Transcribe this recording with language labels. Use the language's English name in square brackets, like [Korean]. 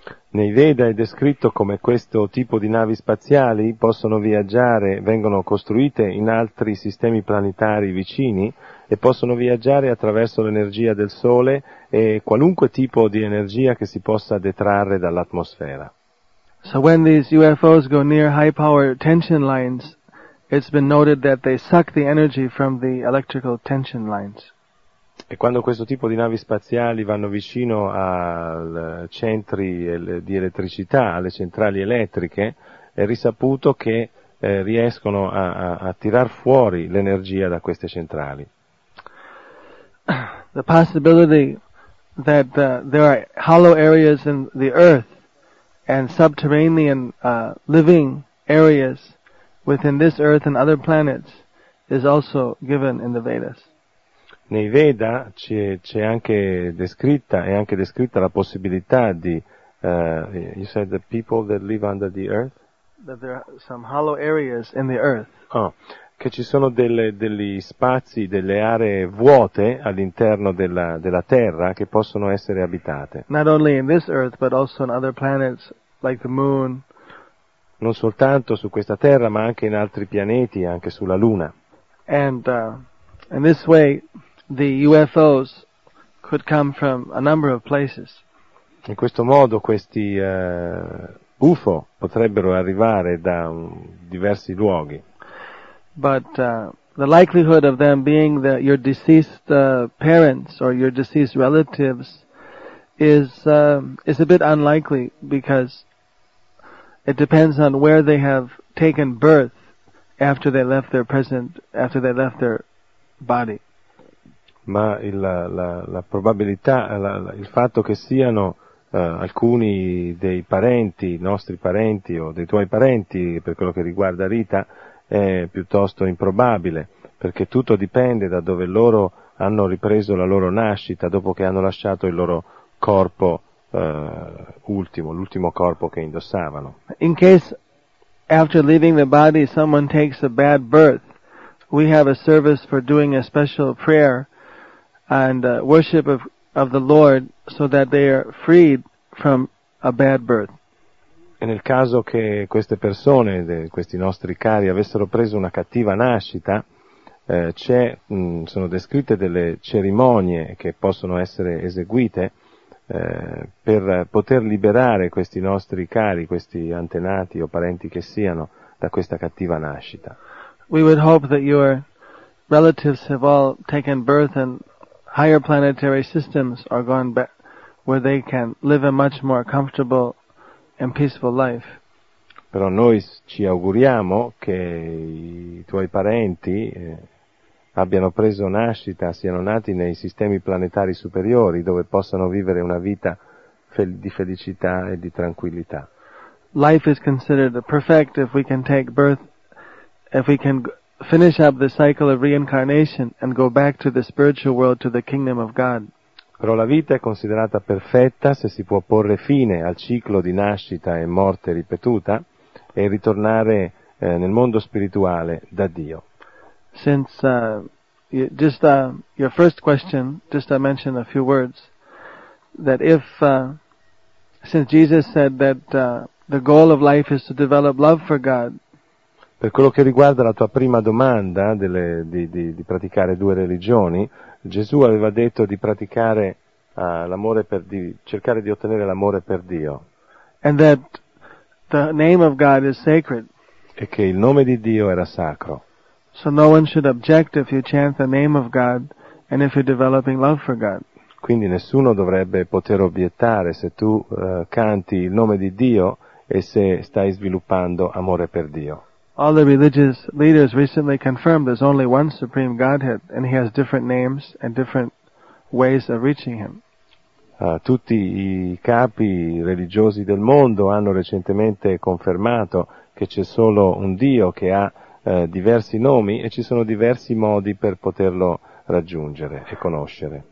[Italian] Nei Veda è descritto come questo tipo di navi spaziali possono viaggiare, vengono costruite in altri sistemi planetari vicini e possono viaggiare attraverso l'energia del sole e qualunque tipo di energia che si possa detrarre dall'atmosfera. [English] So when these UFOs go near high power tension lines, it's been noted that they suck the energy from the electrical tension lines. [Italian] E quando questo tipo di navi spaziali vanno vicino a centri di elettricità, alle centrali elettriche, è risaputo che riescono a tirar fuori l'energia da queste centrali. [English] The possibility that there are hollow areas in the earth and subterranean living areas within this earth and other planets is also given in the Vedas. [Italian] Nei Veda c'è anche descritta, è anche descritta la possibilità di, [English] you said the people that live under the earth? That there are some hollow areas in the earth. [Italian] Oh, che ci sono degli spazi, delle aree vuote all'interno della terra che possono essere abitate. [English] Not only in this earth, but also on other planets like the moon. [Italian] Non soltanto su questa terra, ma anche in altri pianeti, anche sulla luna. [English] And in this way, the UFOs could come from a number of places. [Italian] In questo modo questi UFO potrebbero arrivare da diversi luoghi. [English] But the likelihood of them being your deceased parents or your deceased relatives is a bit unlikely, because it depends on where they have taken birth after they left their present, after they left their body. [Italian] Ma la probabilità, il fatto che siano alcuni dei parenti, nostri parenti o dei tuoi parenti, per quello che riguarda Rita, è piuttosto improbabile, perché tutto dipende da dove loro hanno ripreso la loro nascita dopo che hanno lasciato il loro corpo l'ultimo corpo che indossavano. [English] In case after leaving the body someone takes a bad birth, we have a service for doing a special prayer and worship of the Lord so that they are freed from a bad birth. [Italian] E nel caso che queste persone, questi nostri cari, avessero preso una cattiva nascita, sono descritte delle cerimonie che possono essere eseguite per poter liberare questi nostri cari, questi antenati o parenti che siano, da questa cattiva nascita. [English] We would hope that your relatives have all taken birth and higher planetary systems are gone back, where they can live a much more comfortable and peaceful life. [Italian] Però noi ci auguriamo che i tuoi parenti abbiano preso nascita, siano nati nei sistemi planetari superiori, dove possano vivere una vita di felicità e di tranquillità. [English] Life is considered perfect if we can take birth, if we can finish up the cycle of reincarnation and go back to the spiritual world, to the kingdom of God. [Italian] Però la vita è considerata perfetta se si può porre fine al ciclo di nascita e morte ripetuta e ritornare nel mondo spirituale da Dio. [English] Since your first question, just I mention a few words that since Jesus said that the goal of life is to develop love for God. [Italian] Per quello che riguarda la tua prima domanda di praticare due religioni, Gesù aveva detto di praticare l'amore per Dio, cercare di ottenere l'amore per Dio. [English] And that the name of God is sacred. [Italian] E che il nome di Dio era sacro. [English] So no one should object if you chant the name of God and if you're developing love for God. [Italian] Quindi nessuno dovrebbe poter obiettare se tu canti il nome di Dio e se stai sviluppando amore per Dio. [English] All the religious leaders recently confirmed there's only one supreme Godhead and he has different names and different ways of reaching him. [Italian] Tutti i capi religiosi del mondo hanno recentemente confermato che c'è solo un Dio che ha diversi nomi e ci sono diversi modi per poterlo raggiungere e conoscere.